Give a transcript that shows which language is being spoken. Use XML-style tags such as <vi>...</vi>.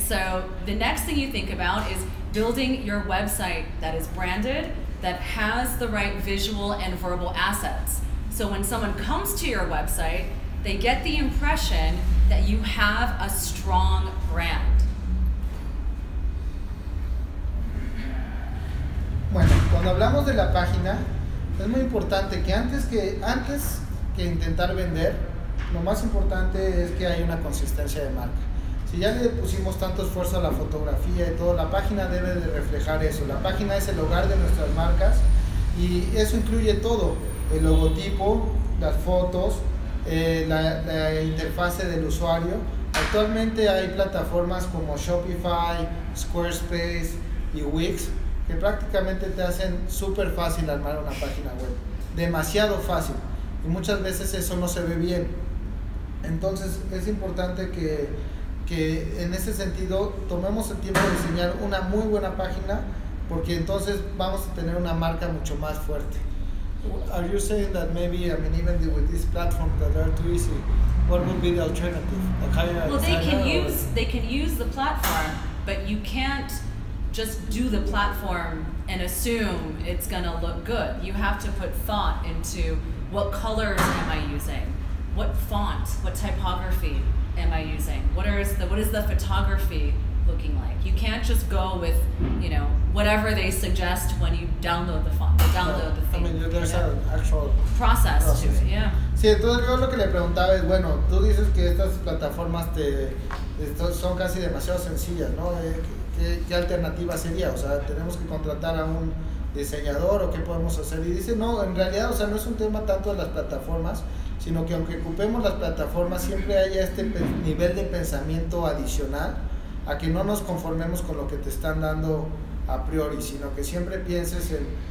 <en>So the next thing you think about is building your website that is branded, that has the right visual and verbal assets. So when someone comes to your website, they get the impression that you have a strong brand.</en> <es>Bueno, cuando hablamos de la página, es muy importante que antes que intentar vender, lo más importante es que hay una consistencia de marca. Si ya le pusimos tanto esfuerzo a la fotografía y todo, la página debe de reflejar eso. La página es el hogar de nuestras marcas y eso incluye todo. El logotipo, las fotos, la interfase del usuario. Actualmente hay plataformas como Shopify, Squarespace y Wix que prácticamente te hacen súper fácil armar una página web. Demasiado fácil. Y muchas veces eso no se ve bien. Entonces es importante que en ese sentido tomemos el tiempo de diseñar una muy buena página porque entonces vamos a tener una marca mucho más fuerte.</es> <en>Are you saying that maybe, even with these platforms that are too easy, what would be the alternative? They can use the platform, but you can't just do the platform and assume it's gonna look good. You have to put thought into what colors am I using, what font, what typography am I using? What is the photography looking like? You can't just go with, whatever they suggest when you download the font, there's an actual process to it, yeah.</en> <es>Sí, entonces yo lo que le preguntaba es, bueno, tú dices que estas plataformas son casi demasiado sencillas, ¿no? ¿Qué alternativa sería? O sea, ¿tenemos que contratar a un diseñador o qué podemos hacer? Y dice, no, en realidad, no es un tema tanto de las plataformas, sino que aunque ocupemos las plataformas, siempre haya este nivel de pensamiento adicional a que no nos conformemos con lo que te están dando a priori, sino que siempre pienses en,</es>